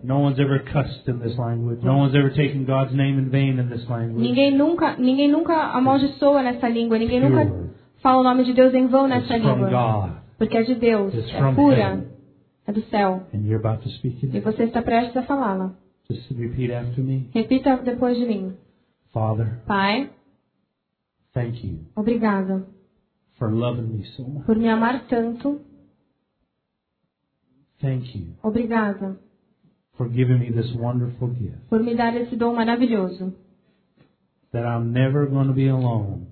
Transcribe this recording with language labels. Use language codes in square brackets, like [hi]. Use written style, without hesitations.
[en] No one's ever cussed in this language. No one's ever taken God's name in vain in this language. [pt] Ninguém nunca amaldiçoa nessa língua. Ninguém nunca fala o nome de Deus em vão nessa [en] It's [pt] língua [en] from God. [pt] Porque é de Deus. [en] It's [pt] é pura. É do céu. [en] And you're about to speak it. [pt] E você está prestes a falá-la. [en] Just repeat after me. [pt] Repita depois de mim. [en] Father. [pt] Pai. [en] Thank you. [pt] Obrigada. [en] For loving me so much. [pt] Por me amar tanto. [en] Thank you. [pt] Obrigada. [en] For giving me this wonderful gift. [pt] Por me dar esse dom maravilhoso. [en] That I'm never going to be alone.